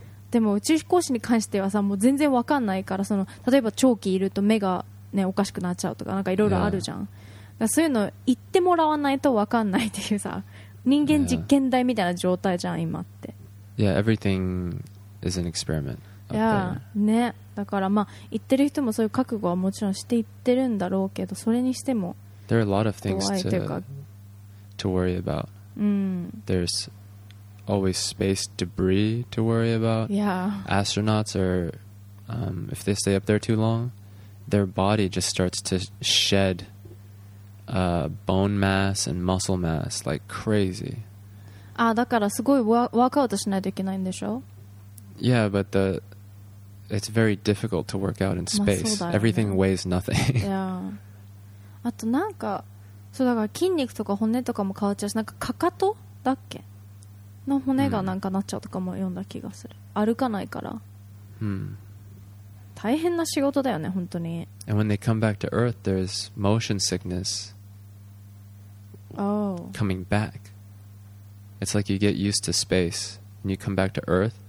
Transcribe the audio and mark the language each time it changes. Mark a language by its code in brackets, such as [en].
[ja] でも宇宙飛行士に関してはさ、もう全然わかんないから、その例えば長期いると目が、ね、おかしくなっちゃうとか、なんかいろいろあるじゃん。そういうの言ってもらわないとわかんないっていうさ、人間実験台みたいな状態じゃん今って。 [en] Yeah, everything is an experiment. Yeah, ね。 [ja] だからまあ言ってる人もそういう覚悟はもちろんして言ってるんだろうけど、それにしても、 [en] there are a lot of things to worry about. There's always space debris to worry about. Yeah. Astronauts are, if they stay up there too long, their body just starts to shed bone mass and muscle mass like crazy. [ja] ああ、だからすごいワークアウトしないといけないんでしょ。 [en] Yeah, but it's very difficult to work out in space. [ja] まあそうだよね。 [en] Everything weighs nothing. Yeah. [ja] あとなんかそうだから筋肉とか骨とかも変わっちゃうし、なんかかかとだっけの骨がなんかなっちゃうとかも読んだ気がする、うん、歩かないから、うん、大変な仕事だよね本当に。 [en] And when they come back to earth there's motion sickness、 oh. coming back. It's like you get used to space and you come back to earth、